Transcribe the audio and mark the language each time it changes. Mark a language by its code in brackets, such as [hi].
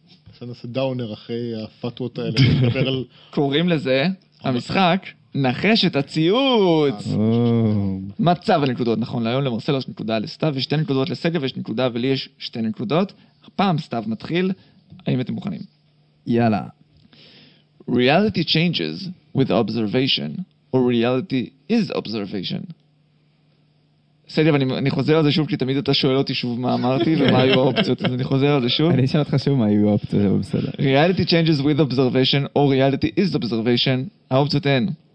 [he] עכשיו נעשה דאונר אחרי הפטוות האלה. קוראים לזה המשחק. נחש את הציוץ! מצב הנקודות, נכון? להיום למרסלו יש נקודה לסתיו, ושתי נקודות לסגב, ויש נקודה, ולי יש שתי נקודות. פעם סתיו מתחיל, האם אתם מוכנים? יאללה. [en] Reality changes with observation, or reality is observation. [he] סגב, אני חוזר על זה שוב, כי תמיד אתה שואל אותי שוב מה אמרתי, ומה היו האופציות, אז אני חוזר על זה שוב. אני אשאל אותך שוב מה היו האופציות, בסדר. [en] Reality changes with observation, or reality is observation, [he] האופציות הן...